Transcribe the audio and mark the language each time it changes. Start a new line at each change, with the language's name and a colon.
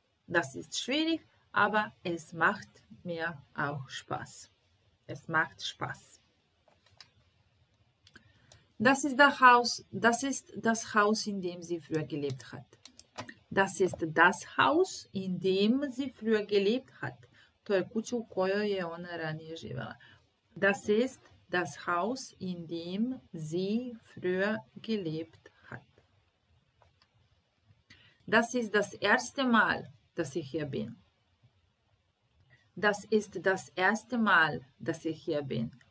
German: Das ist schwierig, aber es macht mir auch Spaß. Es macht Spaß. Das ist das Haus, in dem sie früher gelebt hat. Das ist das Haus, in dem sie früher gelebt hat.
Croatian: To je kuća u kojoj je ona ranije živjela.
German: Das ist das Haus, in dem sie früher gelebt hat. Das ist das erste Mal, dass ich hier bin. Das ist das erste Mal, dass ich hier bin.